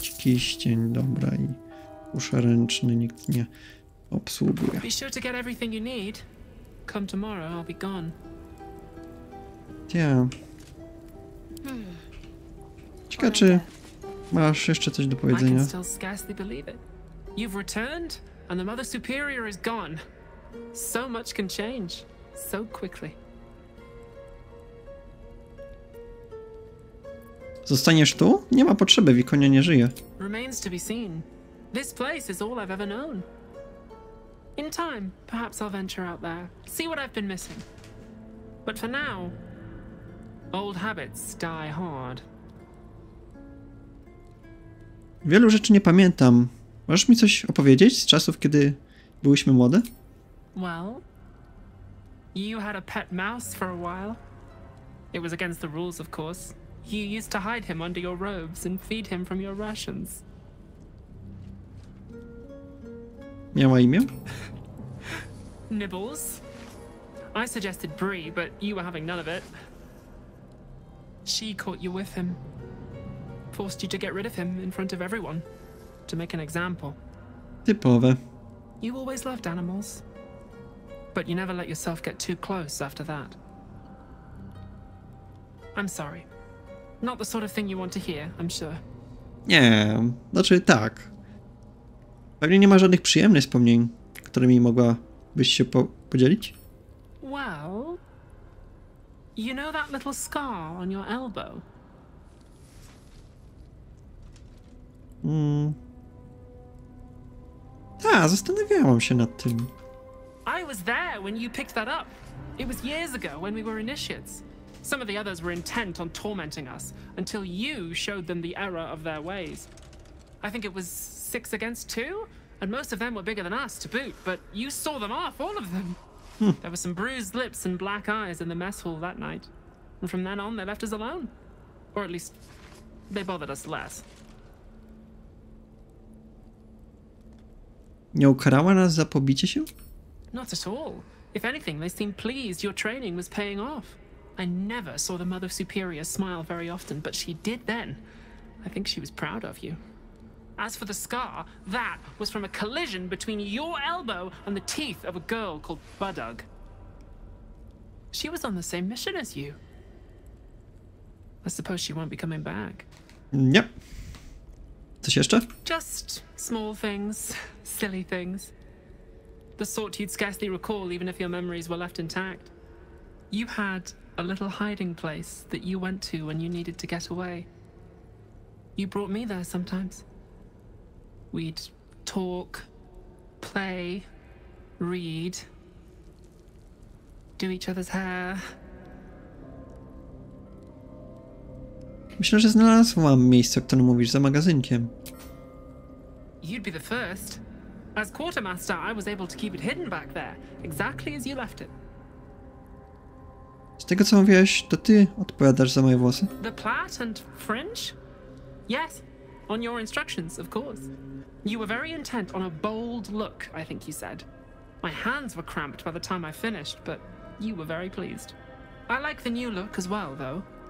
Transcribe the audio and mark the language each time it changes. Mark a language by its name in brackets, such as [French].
[Polish] Kiścień, dobra, i usz ręczny nikt nie obsługuje. [English] Be sure to get everything you need. Come tomorrow, I'll be gone. Yeah. [Polish] Ciekawe, czy masz jeszcze coś do powiedzenia? [English] I can still scarcely believe it. You've returned, and the Mother Superior is gone. So much can change so quickly. [Polish] Zostaniesz tu? Nie ma potrzeby, Wikonia nie żyje. [English] Remains to be seen. This place is all I've ever known. In time, perhaps I'll venture out there, see what I've been missing. But for now, old habits die hard. [Polish] Wielu rzeczy nie pamiętam. Możesz mi coś opowiedzieć z czasów, kiedy byłyśmy młode? [English] Well, you had a pet mouse for a while. It was against the rules, of course. You used to hide him under your robes and feed him from your rations. [Polish] Miała imię? [English] Nibbles. I suggested Bree, but you were having none of it. She caught you with him. Forced you to get rid of him in front of everyone. To make an example. [Polish] Typowe. [English] You always loved animals. But you never let yourself get too close after that. I'm sorry. Not the sort of thing you want to hear, I'm sure. [Polish] Nie, znaczy tak. Pewnie nie ma żadnych przyjemnych wspomnień, którymi mogłabyś się podzielić? [English] Well, you know that little scar on your elbow? [Polish] Tak, zastanawiałam się nad tym. [English] I was there when you picked that up. It was years ago when we were initiates. Some of the others were intent on tormenting us until you showed them the error of their ways. I think it was 6 against 2, and most of them were bigger than us to boot, but you saw them off, all of them. There were some bruised lips and black eyes in the mess hall that night. And from then on, they left us alone. Or at least, they bothered us less. [Polish] Nie ukarała nas za pobicie się? [English] Not at all. If anything, they seemed pleased your training was paying off. I never saw the Mother Superior smile very often, but she did then. I think she was proud of you. As for the scar, that was from a collision between your elbow and the teeth of a girl called Budug. She was on the same mission as you. I suppose she won't be coming back. Yep. [Polish] Coś jeszcze? [English] Just small things, silly things. The sort you'd scarcely recall even if your memories were left intact. You had a little hiding place that you went to when you needed to get away. You brought me there sometimes. We'd talk, play, read, do each other's hair. [Polish] Myślę, że znalazłam miejsce, o którym mówisz, za magazynkiem. [English] You'd be the first. As quartermaster, I was able to keep it hidden back there, exactly as you left it. [Polish] Z tego, co mówiłeś, to ty odpowiadasz za moje włosy? [English] The plait and fringe? Yes, on your instructions, of course. You were very intent on a bold look, I think you said. My hands were cramped by the time I finished, but you were very pleased. I like the new look as well, though.